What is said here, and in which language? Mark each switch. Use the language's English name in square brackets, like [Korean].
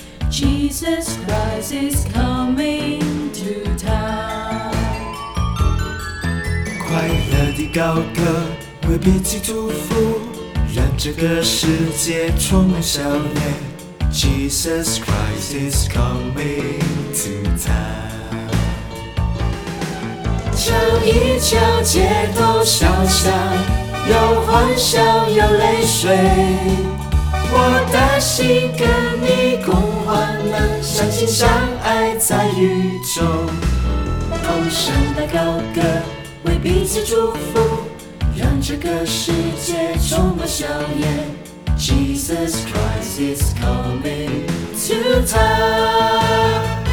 [English] Jesus Christ is coming to town。 [Chinese] 快乐的高歌，为彼此祝福，让这个世界充满笑脸。 [English] Jesus Christ is coming to town。 [Chinese] 敲一敲街头小巷，有欢笑有泪水，我的心跟你共欢乐，相亲相爱在雨中。同声的高歌，为彼此祝福，让这个世界充满笑颜。 [English] Jesus Christ is coming to town。